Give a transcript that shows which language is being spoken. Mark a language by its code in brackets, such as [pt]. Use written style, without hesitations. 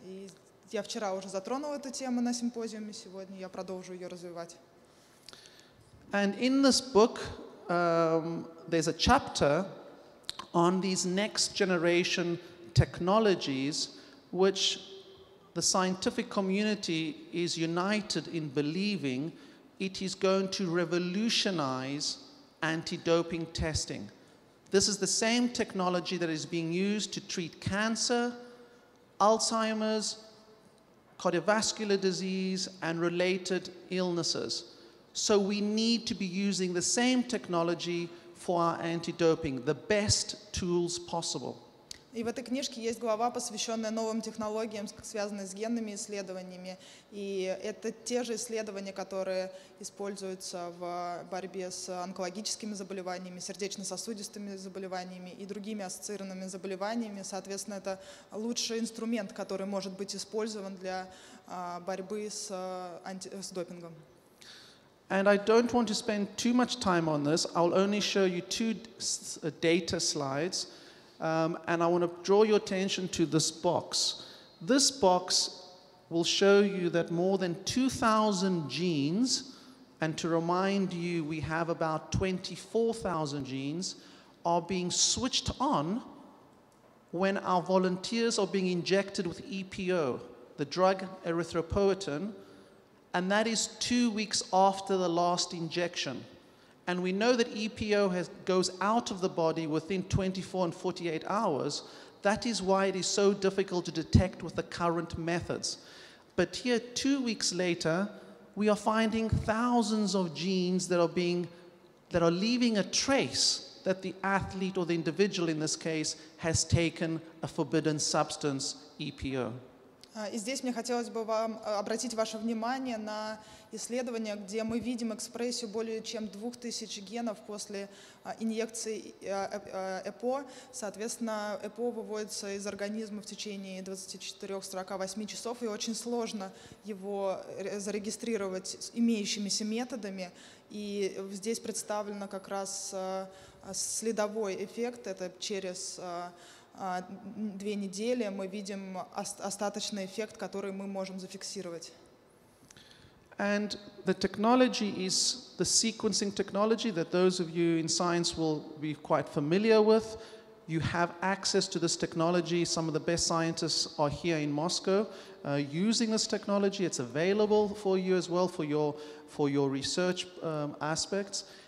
[ru] И я вчера уже затронула эту тему на симпозиуме, сегодня я продолжу ее развивать. [en] And in this book, there's a chapter on these next generation technologies, which the scientific community is united in believing it is going to revolutionize anti-doping testing. This is the same technology that is being used to treat cancer, Alzheimer's, cardiovascular disease, and related illnesses. So we need to be using the same technology for our anti-doping, the best tools possible. [ru] И в этой книжке есть глава, посвященная новым технологиям, связанным с генными исследованиями. И это те же исследования, которые используются в борьбе с онкологическими заболеваниями, сердечно-сосудистыми заболеваниями и другими ассоциированными заболеваниями. Соответственно, это лучший инструмент, который может быть использован для борьбы с допингом. [en] And I don't want to spend too much time on this. I'll only show you two data slides. And I want to draw your attention to this box. This box will show you that more than 2,000 genes, and to remind you, we have about 24,000 genes, are being switched on when our volunteers are being injected with EPO, the drug erythropoietin, and that is 2 weeks after the last injection. And we know that EPO goes out of the body within 24 and 48 hours. That is why it is so difficult to detect with the current methods. But here, 2 weeks later, we are finding thousands of genes that are leaving a trace that the athlete or the individual in this case has taken a forbidden substance, EPO. [ru] И здесь мне хотелось бы вам обратить ваше внимание на исследование, где мы видим экспрессию более чем 2000 генов после инъекции ЭПО. Соответственно, ЭПО выводится из организма в течение 24-48 часов, и очень сложно его зарегистрировать с имеющимися методами. И здесь представлено как раз следовой эффект, это через две недели мы видим остаточный эффект, который мы можем зафиксировать. [en] And the technology is the sequencing technology that those of you in science will be quite familiar with. You have access to this technology. Some of the best scientists are here in Moscow using this technology. It's available for you as well for your research aspects.